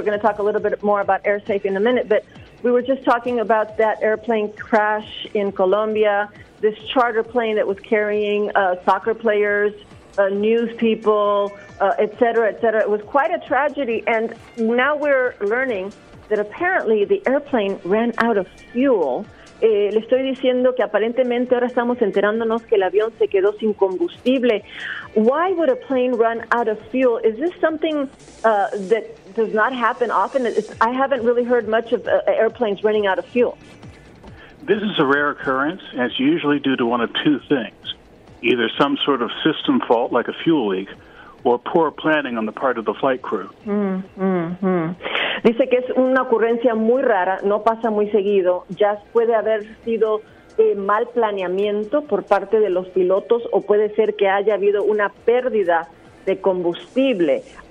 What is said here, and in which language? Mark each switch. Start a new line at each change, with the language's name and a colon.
English: We're going to talk a little bit more about AirSafe in a minute. But we were just talking about that airplane crash in Colombia, this charter plane that was carrying soccer players, news people, et cetera, et cetera. It was quite a tragedy. And now we're learning that apparently the airplane ran out of fuel.
Spanish: Le estoy diciendo que aparentemente ahora estamos enterándonos que el avión se quedó sin combustible.
English: Why would a plane run out of fuel? Is this something that does not happen often? I haven't really heard much of airplanes running out of fuel. This is a rare occurrence, and it's usually due to one of two things: either some sort of system fault, like a fuel leak, or poor planning on the part of the flight crew.
Spanish: Dice que es una ocurrencia muy rara, no pasa muy seguido. Ya puede haber sido mal planeamiento por parte de los pilotos o puede ser que haya habido una pérdida de combustible.